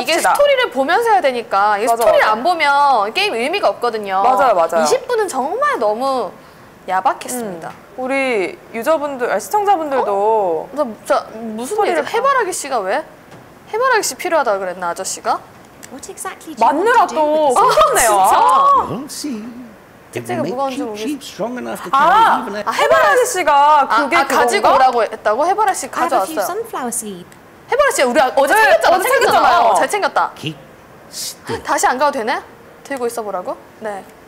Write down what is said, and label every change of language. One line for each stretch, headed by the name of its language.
Korean: 이게 스토리를 보면서 해야 되니까 이게 맞아, 스토리를 맞아. 안 보면 게임 의미가 없거든요 맞아요 맞아요 20분은 정말 너무 야박했습니다 우리 유저분들, 아니, 시청자분들도 어? 저 무슨 얘기죠? 해바라기 씨가 왜? 해바라기 씨 필요하다고 그랬나 아저씨가?
English: What exactly do you want to do with this?
Korean: 특제가 무거운 줄 모르겠어요. 아, 아 해바라기 씨가 그게 아, 가지고 오라고 했다고? 해바라기 씨 가져왔어요. 해바라기 씨 우리 어제 챙겼잖아요. 잘 챙겼다. 다시 안 가도 되네? 들고 있어보라고? 네.